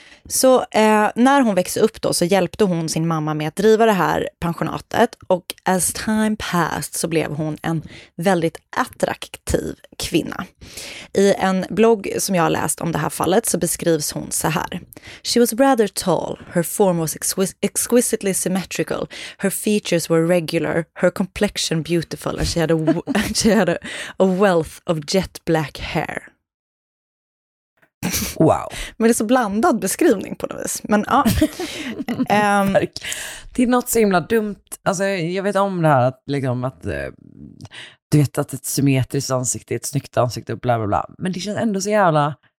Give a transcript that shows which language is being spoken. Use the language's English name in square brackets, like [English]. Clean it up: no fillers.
[Swedish] Så när hon växte upp då så hjälpte hon sin mamma med att driva det här pensionatet och [English] as time passed [Swedish] så blev hon en väldigt attraktiv kvinna. I en blogg som jag har läst om det här fallet så beskrivs hon så här. [English] She was rather tall, her form was exquisitely symmetrical, her features were regular, her complexion beautiful and she had a wealth of jet black hair. Wow. [Swedish] Men det är så blandad beskrivning på något vis. Men ja. Det är något så himla dumt. Alltså jag vet om det här att liksom att du vet att ett symmetriskt ansikte är ett snyggt ansikte och bla bla bla. Men det känns ändå så jävla.